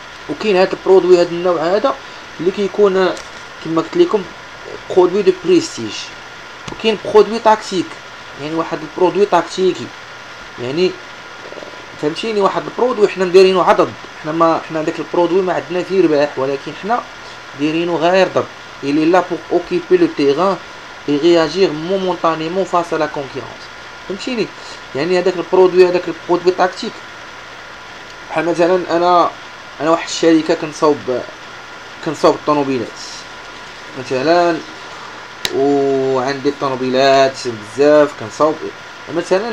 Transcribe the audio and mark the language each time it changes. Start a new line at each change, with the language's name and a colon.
Arabic: وكاين هاد البرودوي هاد النوع هذا اللي كيكون كما قلت لكم برودوي دو بريستيج. وكاين برودوي تاكتيك، يعني واحد البرودوي تاكتيكي، يعني فهمتيني؟ واحد البرودوي حنا مدايرينو عضد، حنا داك البرودوي ما عندنا فيه رباح، ولكن حنا دايرينو غير ضرب.
French: il est là pour occuper le terrain et réagir momentanément face à la concurrence.
Arabic: فهمتيني؟ يعني هذاك البرودوي، هذاك البرودوي تاكتيك. بحال مثلا انا واحد الشركه كنصاوب الطوموبيلات مثلا، وعندي الطوموبيلات بزاف كنصاوب مثلا.